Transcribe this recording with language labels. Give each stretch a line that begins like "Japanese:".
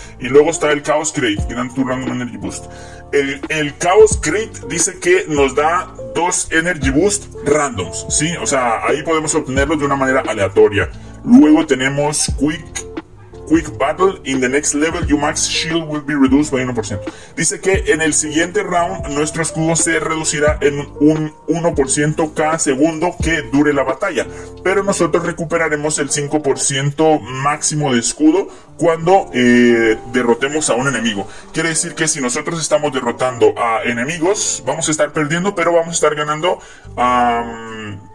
Spanish: Y luego está el Chaos Crate, Grand Tour Random Energy Boost. El Chaos Crate dice que nos da 2 Energy Boost randoms, ¿sí? O sea, ahí podemos obtenerlos de una manera aleatoria. Luego tenemos Quick Battle.
English: In the next level, your max shield will be reduced by 1%.
Spanish: Dice que en el siguiente round, nuestro escudo se reducirá en un 1% cada segundo que dure la batalla. Pero nosotros recuperaremos el 5% máximo de escudo cuando derrotemos a un enemigo. Quiere decir que si nosotros estamos derrotando a enemigos, vamos a estar perdiendo, pero vamos a estar ganando a...